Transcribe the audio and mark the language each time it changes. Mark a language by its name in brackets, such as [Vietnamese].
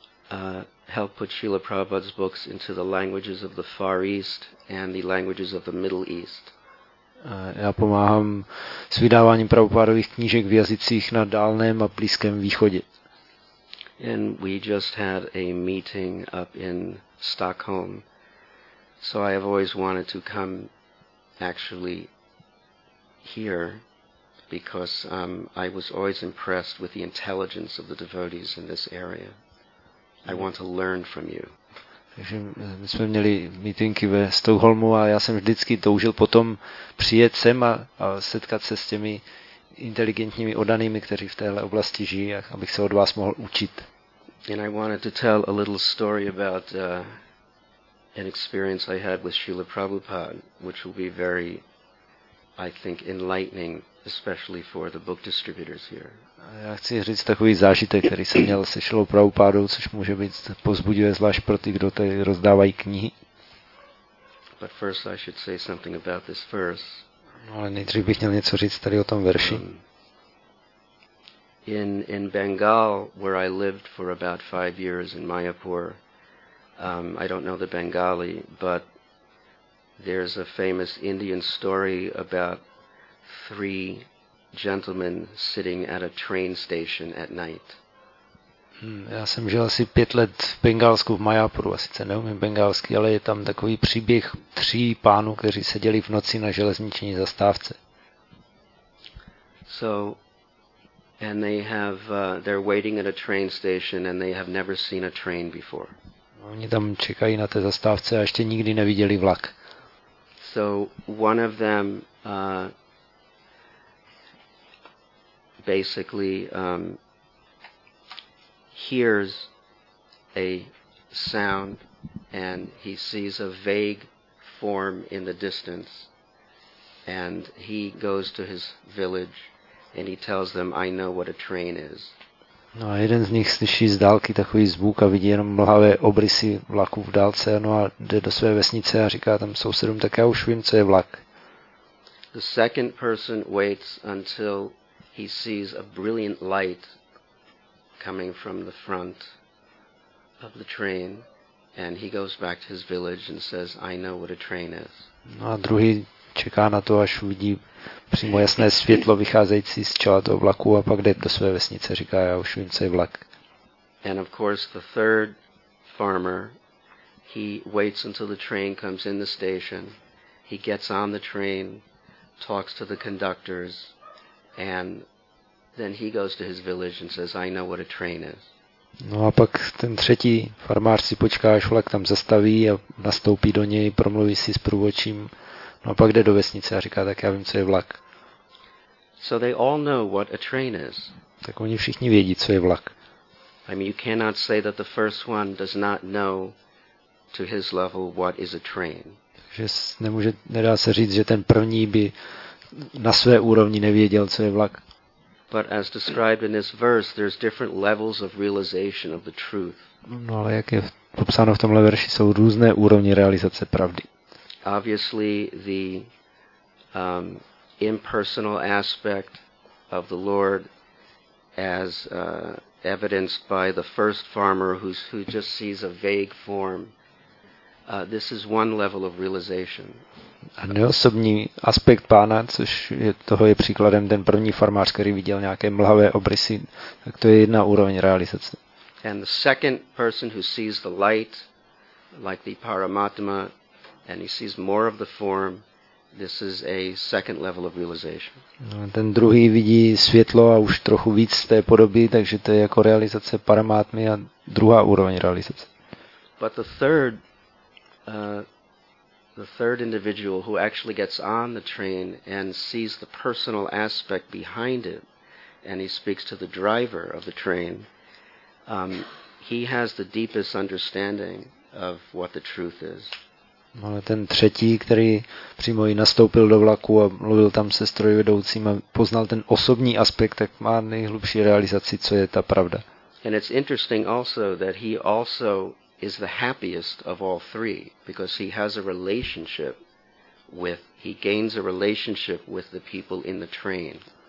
[English] I'm working to help put Srila Prabhupada's books into the languages of the Far East and the languages of the Middle East. [Czech] Já pomáhám s vydáváním Prabhupádových knížek v jazycích na Dálném a Blízkém východě. [English] And we just had a meeting up in Stockholm. So I have always wanted to come actually here because I was always impressed with the intelligence of the devotees in this area. I want to learn from you. [Czech] Takže my jsme měli meetingy ve Stockholmu a já jsem vždycky toužil potom přijet sem a setkat se s těmi inteligentními oddanými, kteří v téhle oblasti žijí, a abych se od vás mohl učit. [English] And I wanted to tell a little story about an experience I had with Srila Prabhupada, which will be very, I think, enlightening, especially for the book distributors here. [Czech] Já chci říct takový zážitek, který jsem měl se Šrilou Prabhupádou, což může být povzbudivé zvlášť pro ty, kdo tady rozdávají knihy. [English] But first I should say something about this verse. [Czech] No, ale nejdřív bych měl něco říct tady o tom verši. [English] In Bengal, where I lived for about 5 years in Mayapur, I don't know the Bengali, but there's a famous Indian story about 3 gentlemen sitting at a train station at night. [Czech] Já jsem žil asi 5 let v Bengálsku, v Mayapuru, a sice neumím bengálsky, ale je tam takový příběh 3 pánů, kteří seděli v noci na železniční zastávce. [English] So, and they have, they're waiting at a train station and they have never seen a train before. [Czech] Oni tam čekají na té zastávce a ještě nikdy neviděli vlak. [English] So, one of them, basically, hears a sound and he sees a vague form in the distance and he goes to his village and he tells them, I know what a train is. [Czech] No a jeden z nich slyší z dálky takový zvuk a vidí jenom mlhavé obrysy vlaku v dálce, no a jde do své vesnice a říká tam sousedům, tak já už vím, co je vlak. [English] The second person waits until he sees a brilliant light coming from the front of the train and he goes back to his village and says, I know what a train is. [Czech] No a druhý čeká na to, až uvidí přímo jasné světlo vycházející z čela toho vlaku a pak jde do své vesnice, říká, já už vím, co je vlak. [English] And of course the third farmer, he waits until the train comes in the station, he gets on the train, talks to the conductors, and then he goes to his village and says, I know what a train is. [Czech] No a pak ten třetí farmář si počká, až vlak tam zastaví a nastoupí do něj, promluví si s průvodčím, no a pak jde do vesnice a říká, tak já vím, co je vlak. [English] So they all know what a train is. [Czech] Tak oni všichni vědí, co je vlak. [English] I mean, you cannot say that the first one does not know to his level what is a train. [Czech] Takže nedá se říct, že ten první by na své úrovni nevěděl, co je vlak. [English] But as described in this verse, there's different levels of realization of the truth. [Czech] No, ale jak je popsáno v tomhle verši, jsou různé úrovně realizace pravdy. [English] Obviously, the impersonal aspect of the Lord, as evidenced by the first farmer who just sees a vague form, this is one level of realization. [Czech] A neosobní aspekt pána, což je, toho je příkladem ten první farmář, který viděl nějaké mlhavé obrysy, tak to je jedna úroveň realizace. [English] And the second person who sees the light, like the Paramatma, and he sees more of the form, this is a second level of realization. [Czech] No, ten druhý vidí světlo a už trochu víc z té podoby, takže to je jako realizace Paramatmy a druhá úroveň realizace. [English] But the third the third individual who actually gets on the train and sees the personal aspect behind it, and he speaks to the driver of the train, he has the deepest understanding of what the truth is. [Czech] Ale ten třetí, který přímo i nastoupil do vlaku a mluvil tam se strojvedoucím a poznal ten osobní aspekt, tak má nejhlubší realizaci, co je ta pravda. [English] And it's interesting also that he also is the happiest of all three, because he has a relationship with, he gains a relationship with the people in the train.